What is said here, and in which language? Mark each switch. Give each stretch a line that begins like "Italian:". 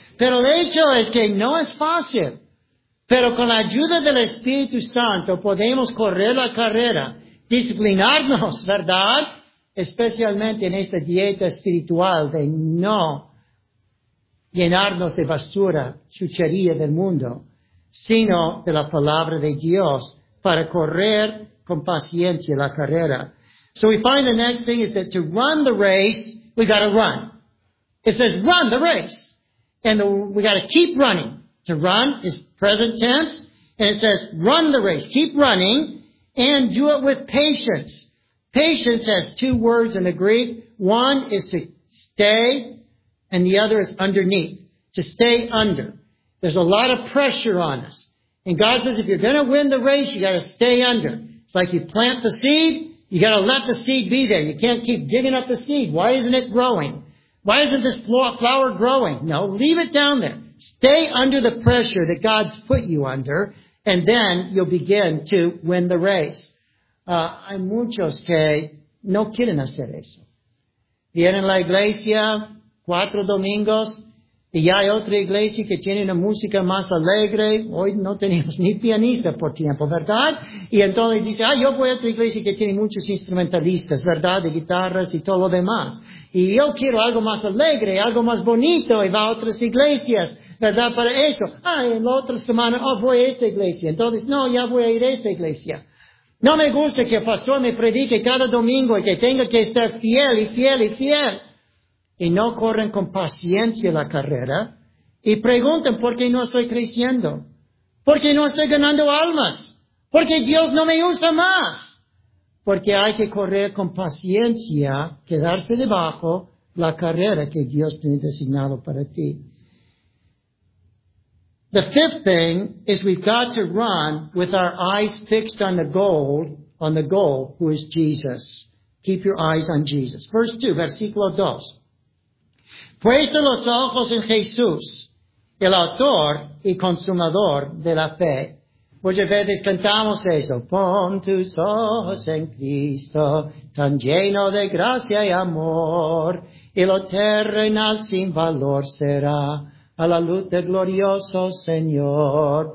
Spanish: Pero el hecho es que no es fácil. Pero con la ayuda del Espíritu Santo podemos correr la carrera, disciplinarnos, ¿verdad? Especialmente en esta dieta espiritual de no llenarnos de basura, chuchería del mundo, sino de la palabra de Dios para correr con paciencia la carrera.
English: So we find the next thing is that to run the race, we got to run. It says run the race. And we got to keep running. To run is present tense. And it says run the race. Keep running and do it with patience. Patience has two words in the Greek. One is to stay and the other is underneath. To stay under. There's a lot of pressure on us. And God says if you're going to win the race, you got to stay under. It's like you plant the seed, you got to let the seed be there. You can't keep digging up the seed. Why isn't it growing? Why isn't this flower growing? No, leave it down there. Stay under the pressure that God's put you under, and then you'll begin to win the race.
Spanish: Hay muchos que no quieren hacer eso. Vienen a la iglesia cuatro domingos, y ya hay otra iglesia que tiene una música más alegre. Hoy no tenemos ni pianista por tiempo, ¿verdad? Y entonces dice, ah, yo voy a otra iglesia que tiene muchos instrumentalistas, ¿verdad? De guitarras y todo lo demás. Y yo quiero algo más alegre, algo más bonito, y va a otras iglesias, ¿verdad? Para eso. Ah, en la otra semana, oh, voy a esta iglesia. Entonces, no, ya voy a ir a esta iglesia. No me gusta que el pastor me predique cada domingo y que tenga que estar fiel y fiel y fiel. Y no corren con paciencia la carrera y preguntan por qué no estoy creciendo, por qué no estoy ganando almas, por qué Dios no me usa más. Porque hay que correr con paciencia, quedarse debajo la carrera que Dios tiene designado para ti.
English: The fifth thing is we've got to run with our eyes fixed on the goal, who is Jesus. Keep your eyes on Jesus. Verse 2,
Spanish: versículo 2. Puesto los ojos en Jesús, el autor y consumador de la fe. Muchas veces cantamos eso. Pon tus ojos en Cristo, tan lleno de gracia y amor, y lo terrenal sin valor será a la luz del glorioso Señor.